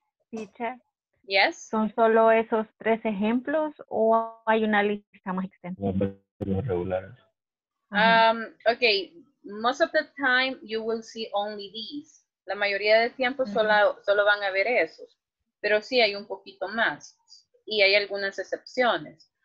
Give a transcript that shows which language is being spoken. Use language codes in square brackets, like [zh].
[en] Teacher. Yes. [es] ¿Son solo esos tres ejemplos o hay una lista más extensa? [en] Okay, most of the time you will see only these. [es] La mayoría del tiempo solo van a ver esos, pero sí hay un poquito más y hay algunas excepciones.